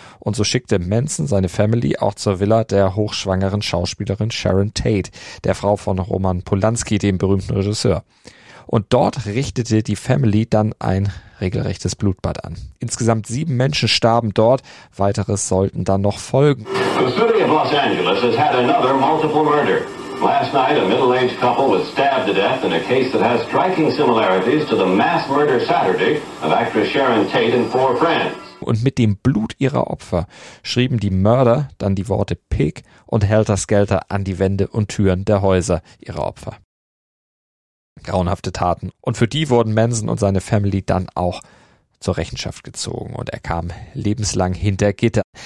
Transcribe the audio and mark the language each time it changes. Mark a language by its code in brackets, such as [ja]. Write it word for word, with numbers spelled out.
[de] Und so schickte Manson seine Family auch zur Villa der hochschwangeren Schauspielerin Sharon Tate, der Frau von Roman Polanski, dem berühmten Regisseur. Und dort richtete die Family dann ein regelrechtes Blutbad an. Insgesamt sieben Menschen starben dort, weiteres sollten dann noch folgen. [en] The city of Los Angeles has had another multiple murder. Last night, a middle-aged couple was stabbed to death in a case that has striking similarities to the mass murder Saturday of actress Sharon Tate and four friends. [de] Und mit dem Blut ihrer Opfer schrieben die Mörder dann die Worte Pig und Helter Skelter an die Wände und Türen der Häuser ihrer Opfer. Grauenhafte Taten. Und für die wurden Manson und seine Family dann auch zur Rechenschaft gezogen und er kam lebenslang hinter Gitter.